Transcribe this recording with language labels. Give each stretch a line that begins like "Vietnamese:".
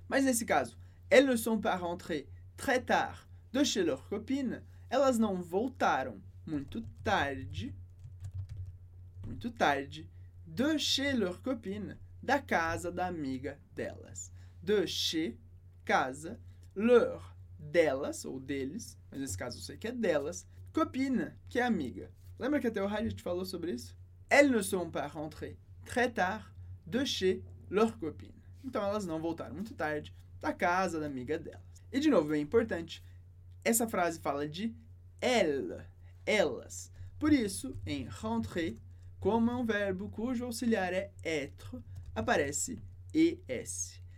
Portuguese: Mas nesse caso,
French: elles ne sont pas rentrées très tard de chez leur copine,
Portuguese: elas não voltaram muito tarde,
French: de chez leur copine,
Portuguese: da casa da amiga delas. De chez, casa, leur, delas ou deles, mas nesse caso eu sei que é delas, copine, que é amiga. Lembra que até o Hadid falou sobre isso?
French: Elles ne sont pas rentrées très tard de chez leur copine.
Portuguese: Então elas não voltaram muito tarde da casa da amiga delas. E de novo, é importante, essa frase fala de elle, elas. Por isso, em rentrer, como é um verbo cujo auxiliar é être, aparece ES.